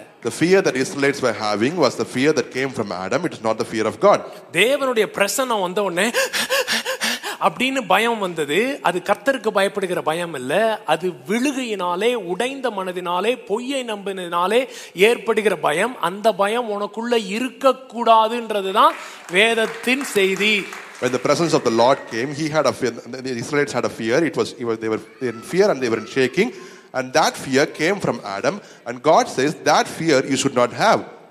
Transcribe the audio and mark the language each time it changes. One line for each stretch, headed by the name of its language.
English: The fear that Israelites were having was the fear that came from Adam. It is not the fear of God.
Tamil: தேவனுடைய பிரசன்ன வந்த உடனே அப்படின்னு பயம் வந்தது, அது கர்த்தருக்கு பயப்படுகிற பயம் இல்ல, அது விழுகையினாலே உடைந்த மனதினாலே பொய்யை நம்பினாலே ஏற்படுகிற பயம். அந்த பயம் உனக்குள்ள இருக்க கூடாதுன்றதுதான் வேதத்தின் செய்தி.
English: When the presence of the Lord came, he had a fear, the Israelites had a fear, they were in fear and they were in shaking, and that fear came from Adam, and God says that fear you should not have.